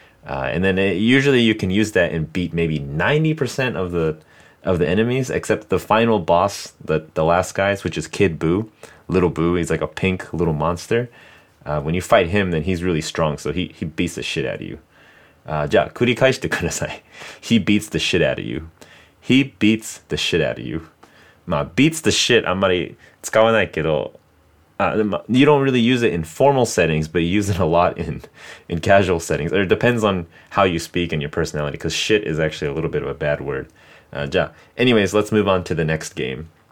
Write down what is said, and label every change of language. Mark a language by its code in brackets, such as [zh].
[en] And then usually you can use that and beat maybe 90% of the enemies, except the final boss, the last guys, which is Kid Buu, Little Buu. He's like a pink little monster. When you fight him, then he's really strong, so he beats the shit out of you. [ja] じゃあ繰り返してください。 [en] He beats the shit out of you. He beats the shit out of you. [ja] まあ [en] beats the shit [ja] あんまり使わないけど、 [en] you don't really use it in formal settings, but you use it a lot in casual settings. It depends on how you speak and your personality, because shit is actually a little bit of a bad word. じゃあ anyways, let's move on to the next game.